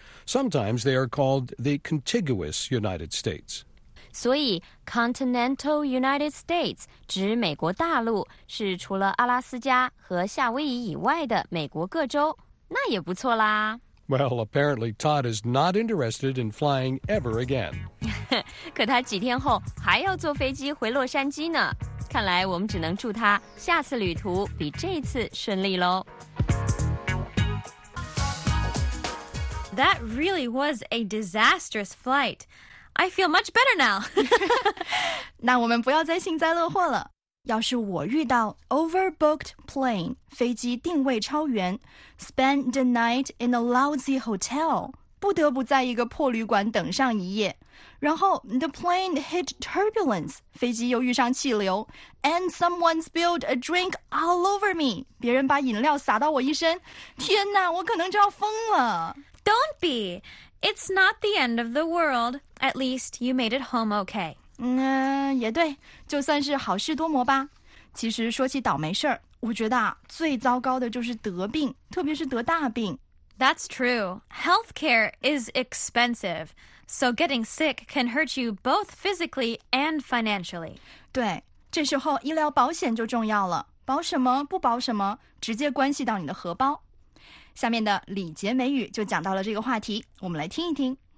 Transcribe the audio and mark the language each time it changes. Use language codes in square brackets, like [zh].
[en] Sometimes they are called the contiguous United States. [zh] 所以 [en] continental United States [zh] 指美国大陆是除了阿拉斯加和夏威夷以外的美国各州。那也不错啦。 [en] Well, apparently Todd is not interested in flying ever again. [zh] 可他几天后还要坐飞机回洛杉矶呢。看来我们只能祝他下次旅途比这次顺利咯。 [en] That really was a disastrous flight. I feel much better now. [zh] 那我们不要再幸灾乐祸了。要是我遇到 [en] overbooked plane, [zh] 飞机定位超员 [en] spend the night in a lousy hotel, [zh] 不得不在一个破旅馆等上一夜然后 [en] the plane hit turbulence, [zh] 飞机又遇上气流 [en] and someone spilled a drink all over me, [zh] 别人把饮料洒到我一身天哪我可能就要疯了 [en] Don't be, it's not the end of the world, at least you made it home okay. [zh] 也对，就算是好事多磨吧。其实说起倒霉事儿，我觉得啊，最糟糕的就是得病，特别是得大病。 [en] That's true. Healthcare is expensive, so getting sick can hurt you both physically and financially. [zh] 对，这时候医疗保险就重要了。保什么不保什么，直接关系到你的荷包。下面的礼节美语就讲到了这个话题，我们来听一听。